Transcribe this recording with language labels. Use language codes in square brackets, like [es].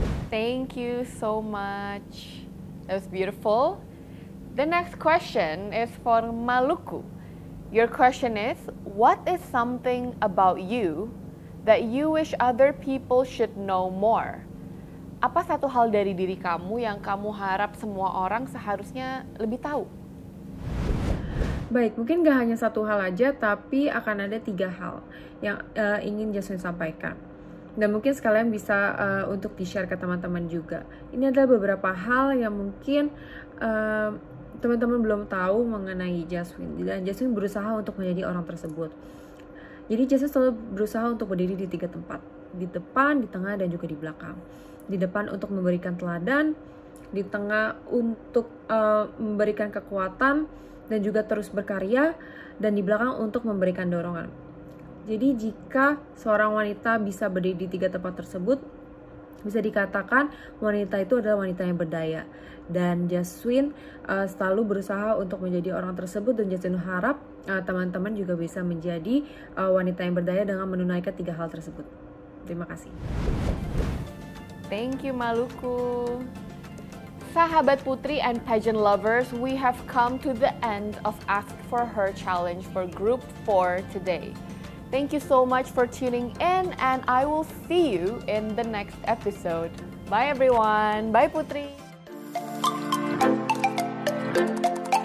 [en] Thank you so much. That was beautiful. The next question is for Maluku. Your question is, what is something about you that you wish other people should know more? [id] Apa satu hal dari diri kamu yang kamu harap semua orang seharusnya lebih tahu? Baik, mungkin gak hanya satu hal aja, tapi akan ada tiga hal yang ingin Jasmine sampaikan. Dan mungkin sekalian bisa untuk di-share ke teman-teman juga. Ini adalah beberapa hal yang mungkin teman-teman belum tahu mengenai Jasmine. Dan Jasmine berusaha untuk menjadi orang tersebut. Jadi Jasmine selalu berusaha untuk berdiri di tiga tempat. Di depan, di tengah, dan juga di belakang. Di depan untuk memberikan teladan. Di tengah untuk memberikan kekuatan. Dan juga terus berkarya. Dan di belakang untuk memberikan dorongan. Jadi jika seorang wanita bisa berdiri di tiga tempat tersebut, bisa dikatakan wanita itu adalah wanita yang berdaya. Dan Jasmine selalu berusaha untuk menjadi orang tersebut, dan Jasmine harap teman-teman juga bisa menjadi wanita yang berdaya dengan menunaikan tiga hal tersebut. Terima kasih. [en] Thank you, Maluku. Sahabat Putri and pageant lovers, we have come to the end of Ask for Her Challenge for Group 4 today. Thank you so much for tuning in, and I will see you in the next episode. Bye everyone. Bye Putri.